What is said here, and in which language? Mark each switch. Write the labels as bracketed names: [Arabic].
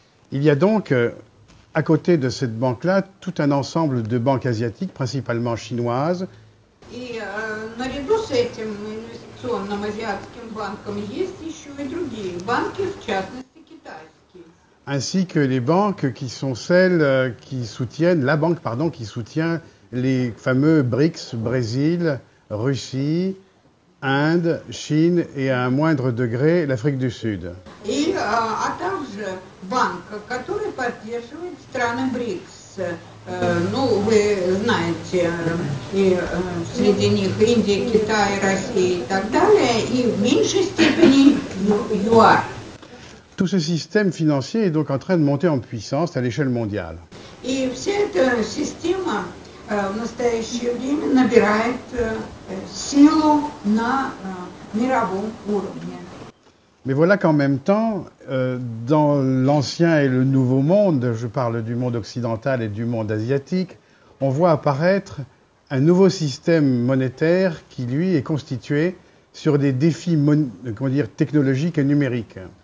[French] Il y a donc, à côté de cette banque-là, tout un ensemble de banques asiatiques, principalement chinoises. [Russian] И наряду с этим инвестиционным азиатским банком есть еще и другие банки, в частности китайские. [French] Ainsi que les banques qui sont celles qui soutiennent, la banque, pardon, qui soutient les fameux BRICS, Brésil, Russie, Inde, Chine et à un moindre degré l'Afrique du Sud. Et à [Russian] также банк, который поддерживает страны БРИКС, Ну, вы знаете, и среди них Индия, Китай, Россия и так далее, и в меньшей степени ЮАР. [French] Tout ce système financier est donc en train de monter en puissance à l'échelle mondiale. [Russian] И вся эта система в настоящее время набирает силу на мировом уровне. [French] Mais voilà qu'en même temps, dans l'ancien et le nouveau monde, je parle du monde occidental et du monde asiatique, on voit apparaître un nouveau système monétaire qui, lui, est constitué sur des défis technologiques et numériques.